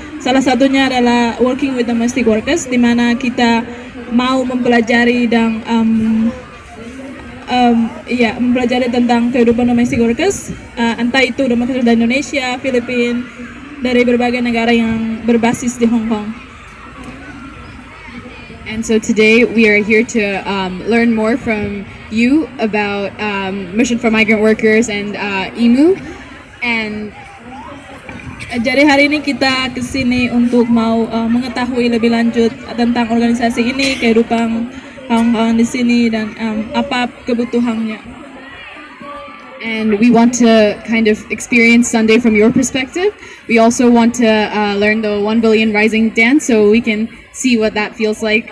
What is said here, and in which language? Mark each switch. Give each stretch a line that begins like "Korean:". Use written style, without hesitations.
Indonesian: Salah satunya adalah
English: working with domestic workers,
Indonesian: di mana kita mau mempelajari dan mempelajari tentang kehidupan domestic workers, entah itu domestic workers dari Indonesia, Filipina, dari berbagai negara yang berbasis di Hong Kong.
English: And so today we are here to learn more from you about Mission for Migrant Workers and IMU. And
Indonesian: jadi hari ini kita kesini untuk mau mengetahui lebih lanjut tentang organisasi ini, kehidupan Hong Kong di sini, dan apa kebutuhannya.
English: And we want to kind of experience Sunday from your perspective. We also want to learn the 1 billion rising dance so we can see what that feels like.